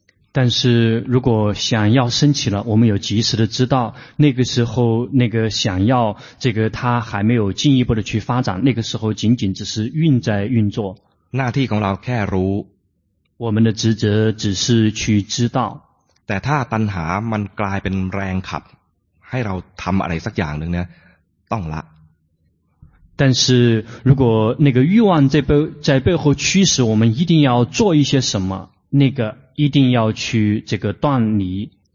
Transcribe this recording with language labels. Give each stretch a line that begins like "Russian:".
Chinese: 但是如果想要升起了我们有及时的知道那个时候那个想要这个它还没有进一步的去发展那个时候仅仅只是运在运作
Thai: หน้าที่ของเราแค่รู้
Chinese: 我们的职责只是去知道
Thai: แต่ถ้าตัณหามันกลายเป็นแรงขับให้เราทำอะไรสักอย่างหนึ่งเนี่ยต้องละ
Chinese: 但是如果那个欲望在背后驱使我们一定要做一些什么，那个一定要去这个断离。